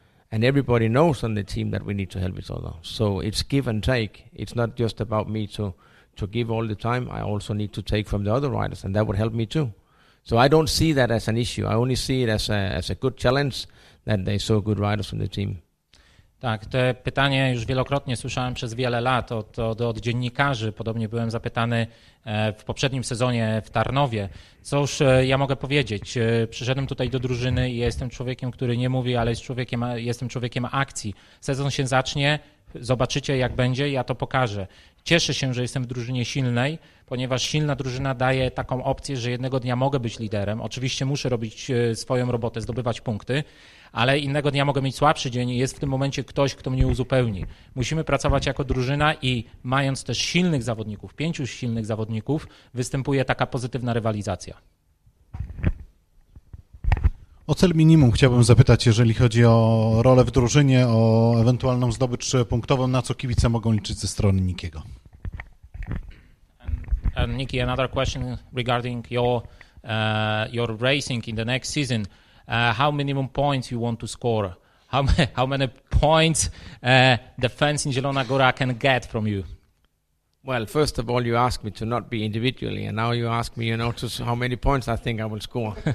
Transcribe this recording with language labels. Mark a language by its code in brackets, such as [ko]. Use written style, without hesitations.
[en] And everybody knows on the team that we need to help each other. So it's give and take. It's not just about me to give all the time. I also need to take from the other riders, and that would help me too. So I don't see that as an issue. I only see it as a good challenge that they saw good riders on the team. [pl] Tak, to pytanie już wielokrotnie słyszałem przez wiele lat od dziennikarzy. Podobnie byłem zapytany w poprzednim sezonie w Tarnowie. Cóż ja mogę powiedzieć? Przyszedłem tutaj do drużyny i jestem człowiekiem, który nie mówi, ale jestem człowiekiem akcji. Sezon się zacznie, zobaczycie jak będzie, ja to pokażę. Cieszę się, że jestem w drużynie silnej, ponieważ silna drużyna daje taką opcję, że jednego dnia mogę być liderem. Oczywiście muszę robić swoją robotę, zdobywać punkty, ale innego dnia mogę mieć słabszy dzień i jest w tym momencie ktoś, kto mnie uzupełni. Musimy pracować jako drużyna i mając też silnych zawodników, 5 silnych zawodników, występuje taka pozytywna rywalizacja. O cel minimum chciałbym zapytać, jeżeli chodzi o rolę w drużynie, o ewentualną zdobycz punktową, na co kibice mogą liczyć ze strony Nikiego. [en] And Nicky, another question regarding your racing in the next season. How minimum points you want to score? How many points the fans in Zielona Góra can get from you? Well, first of all, you asked me to not be individually, and now you ask me, you know, to how many points I think I will score.